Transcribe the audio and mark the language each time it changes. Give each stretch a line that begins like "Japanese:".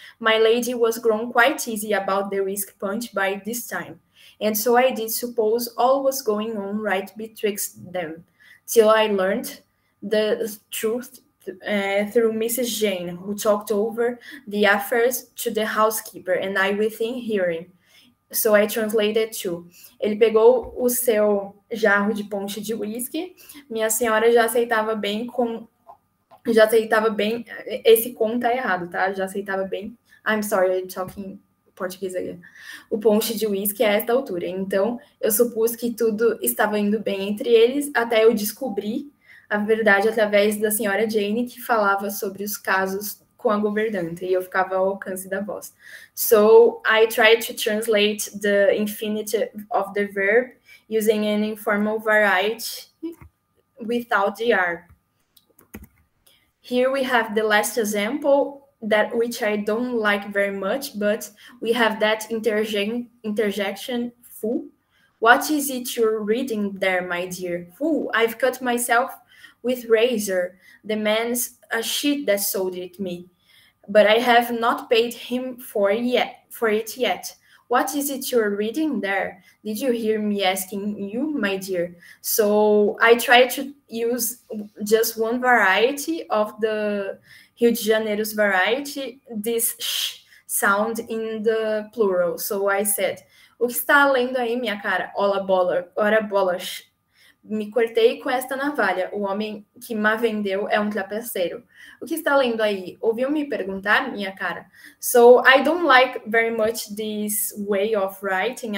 English: My lady was grown quite easy about the whisk punch by this time. And so I did suppose all was going on right betwixt them, till I learned the truth through Mrs. Jane, who talked over the affairs to the housekeeper, and I within hearing. So I translated to,
Portuguese: ele pegou o seu jarro de ponche de whisky, minha senhora já aceitava bem com... Já aceitava bem, esse conto tá errado, tá? Já aceitava bem,
English: I'm sorry, I'm talking Portuguese again.
Portuguese: O ponche de uísque a esta altura. Então, eu supus que tudo estava indo bem entre eles, até eu descobri a verdade através da senhora Jane, que falava sobre os casos com a governanta, e eu ficava ao alcance da voz.
English: So, I tried to translate the infinitive of the verb using an informal variety without the R. Here we have the last example, that which I don't like very much, but we have that interjection, fool. What is it you're reading there, my dear? Fool, I've cut myself with razor. The man's a sheet that sold it me, but I have not paid him for it yet. "What is it you're reading there? Did you hear me asking you, my dear?" So I try to use just one variety of the Rio de Janeiro's variety, this sh sound in the plural. So I said,
Portuguese: "O que está lendo aí, minha cara? Ora bola, ora bola, sh. Me cortei com esta navalha. O homem que me vendeu é trapaceiro. O que está lendo aí? Ouviu me perguntar, minha cara?"
English: So I don't like very much this way of writing.